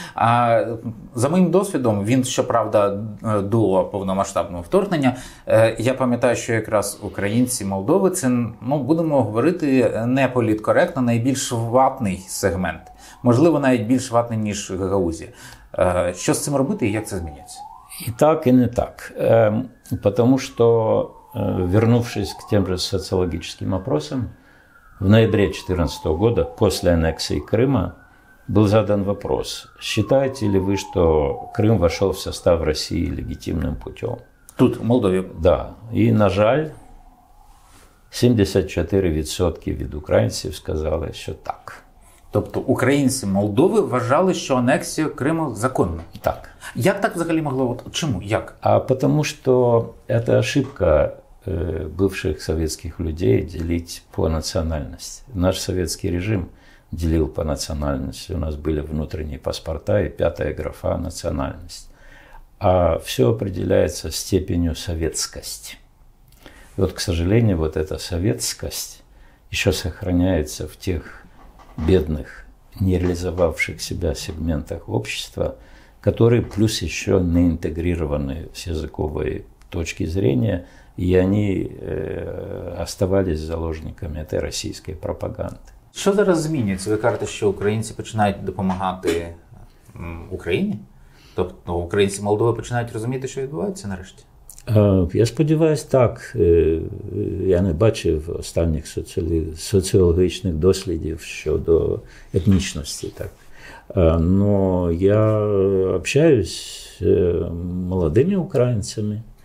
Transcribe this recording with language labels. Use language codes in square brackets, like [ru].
[uk] А за моїм досвідом, він, щоправда, до повномасштабного вторгнення, я пам'ятаю, що якраз українці Молдови, це, ну, будемо говорити неполіткоректно, найбільш ватний сегмент. Можливо, навіть більш ватний, ніж Гагаузія. Що з цим робити і як це змінюється? [ru] И так, и не так. Потому что, вернувшись к тем же социологическим опросам, в ноябре 2014 года, после аннексии Крыма, был задан вопрос, считаете ли вы, что Крым вошел в состав России легитимным путем? Тут, в Молдове. Да. И, [uk] на жаль, [ru] 74% від украинцев сказали, что так. [uk] Тобто українці Молдови вважали, що анексія Криму законна. Так. Як так взагалі могло? От чому? Як? А тому що це ошибка бувших совєтських людей ділити по національності. Наш совєтський режим ділив по національності. У нас були внутрішні паспорта і п'ята графа національність. [ru] А все определяється степенью совєтськості. І от, к сожалению, вот эта совєтськість ще сохраняється в тих бедных, не реализовавших себя сегментах общества, которые плюс еще не интегрированы с языковой точки зрения, и они оставались заложниками этой российской пропаганды. Что сейчас изменится? Вы говорите, что украинцы начинают помогать Украине? То есть украинцы Молдовы начинают понимать, что происходит, наконец? [uk] Я сподіваюся, так. Я не бачив останніх соціологічних дослідів щодо етнічності. Так. [ru] Но я общаюсь [uk] з молодими українцями.